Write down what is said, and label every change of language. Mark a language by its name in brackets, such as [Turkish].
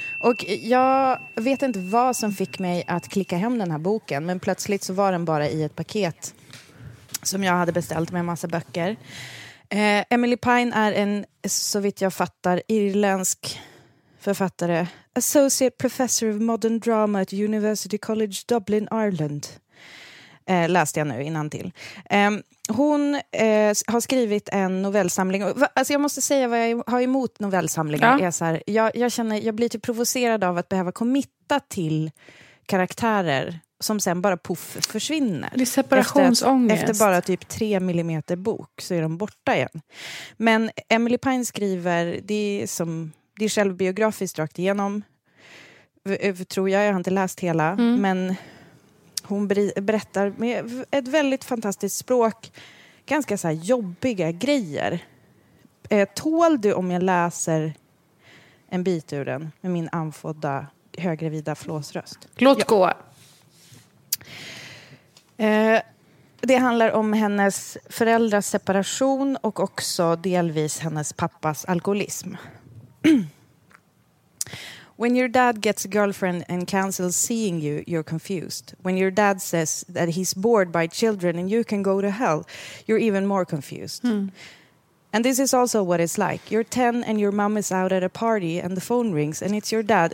[Swedish] Och jag vet inte vad som fick mig att klicka hem den här boken. Men plötsligt så var den bara i ett paket som jag hade beställt med en massa böcker. Emily Pine är en, så vitt jag fattar, irländsk författare. [English] Associate Professor of Modern Drama at University College Dublin, Ireland. [Swedish] Läste jag nu innan till. Hon har skrivit en novellsamling. Alltså jag måste säga vad jag har emot novellsamlingar. Ja. Är så här, jag blir typ provocerad av att behöva kommitta till karaktärer som sen bara puff försvinner. Det är separationsångest. Efter bara typ 3 millimeter bok så är de borta igen. Men Emily Pine skriver, det är självbiografiskt rakt igenom. Tror jag har inte läst hela. Mm. Men hon berättar med ett väldigt fantastiskt språk. Ganska så här jobbiga grejer. Tål du om jag läser en bit ur den med min anfådda högravida flåsröst? Låt gå. Det handlar om hennes föräldrars separation och också delvis hennes pappas alkoholism. [English] When your dad gets a girlfriend and cancels seeing you, you're confused. When your dad says that he's bored by children and you can go to hell, you're even more confused. Mm. And this is also what it's like. You're 10 and your mom is out at a party and the phone rings and it's your dad.